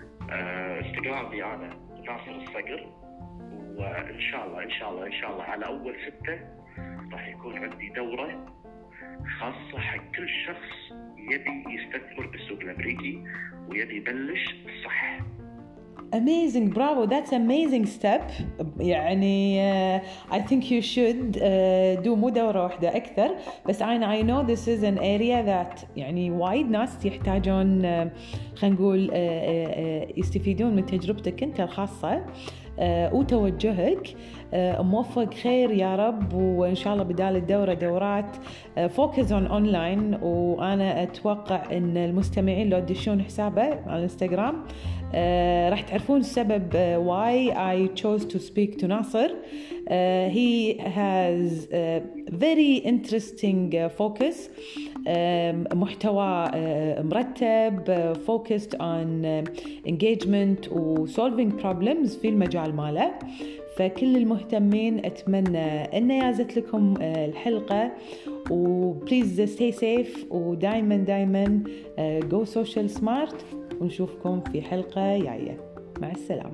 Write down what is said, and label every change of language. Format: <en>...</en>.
<ar>إنستغرامي أنا ناصر الصقر. وإن شاء الله إن شاء الله إن شاء الله على أول ستة راح يكون عندي دورة خاصة حق كل شخص يبي يستثمر بالسوق الأمريكي ويبي يبلش صح.</ar> <en>Amazing, bravo, that's an amazing step.</en> <ar>يعني</ar> <en>I think you should do</en> <ar>مو دورة واحدة أكثر بس</ar> <en>I know this is an area that</en> <ar>يعني وايد ناس يحتاجون خلينا نقول يستفيدون من تجربتك أنت الخاصة وتوجهك. موفق خير يا رب وإن شاء الله بدال الدورة دورات</ar> <en>focus on online.</en> <ar>وأنا أتوقع أن المستمعين لو يدشون حسابه على الانستغرام راح تعرفون السبب</ar> <en>why I chose to speak to</en> <ar>ناصر.</ar> <en>He has very interesting focus,</en> <ar>محتوى مرتب</ar> <en>focused on engagement و solving problems</en> <ar>في المجال ماله. فكل المهتمين أتمنى أن يازت لكم الحلقة و</ar> <en>please stay safe</en> <ar>و دايما</ar> <en>go social smart</en> <ar>ونشوفكم في حلقة جاية. مع السلامة.</ar>